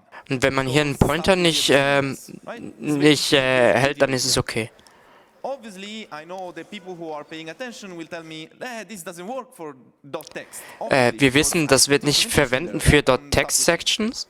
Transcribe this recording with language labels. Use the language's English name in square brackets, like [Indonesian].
[German] Und wenn man hier einen Pointer nicht hält, dann ist es okay. [English] Obviously, I know the people who are paying attention will tell me, this doesn't work for .text. [German] Wir wissen, das wird nicht verwenden für .text Sections.